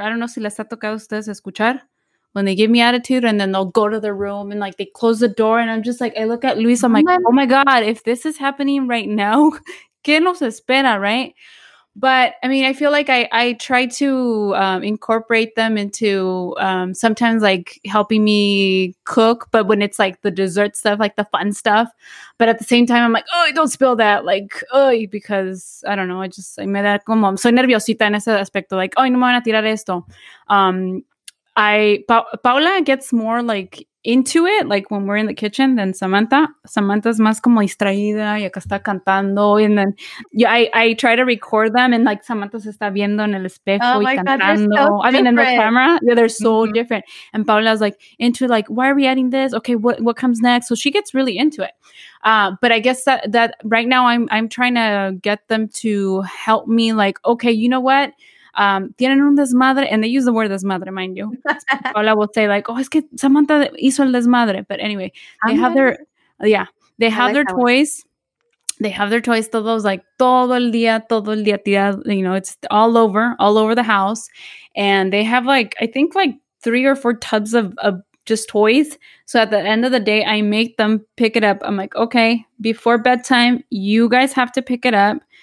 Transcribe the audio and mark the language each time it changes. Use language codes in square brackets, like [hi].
[en] I don't know [es] si les ha tocado a ustedes escuchar [en] when they give me attitude, and then they'll go to the room and like they close the door, and I'm just like, I look at Luis, I'm like, oh my god, if this is happening right now, [es] ¿qué nos espera, [en] right? But I mean, I feel like I try to incorporate them into sometimes like helping me cook, but when it's like the dessert stuff, like the fun stuff. But at the same time, I'm like, oh, don't spill that. Like, oh, because I don't know. I just, [es] me da como, soy nerviosita en ese aspecto. [en] Like, oh, [es] no me van a tirar esto. [en] Paula gets more like into it, like when we're in the kitchen, than Samantha. [es] Samantha's más como distraída y acá está cantando. [en] And then I try to record them and like Samantha [es] se está viendo en el espejo oh y [en] my [es] cantando. [en] God, they're so different. I mean, in the camera, yeah, they're so mm-hmm. different. And Paula's like into like, why are we adding this? Okay, what comes next? So she gets really into it. But I guess that right now I'm trying to get them to help me, like, okay, you know what? [es] Tienen un desmadre, [en] and they use the word desmadre, mind you. Paula will say like, oh, [es] es que Samantha hizo el desmadre. [en] But anyway, they have their toys, [es] todos, [en] like [es] todo el día tirado, [en] you know, it's all over the house. And they have like, I think like three or four tubs of just toys. So at the end of the day, I make them pick it up. I'm like, okay, before bedtime, you guys have to pick it up.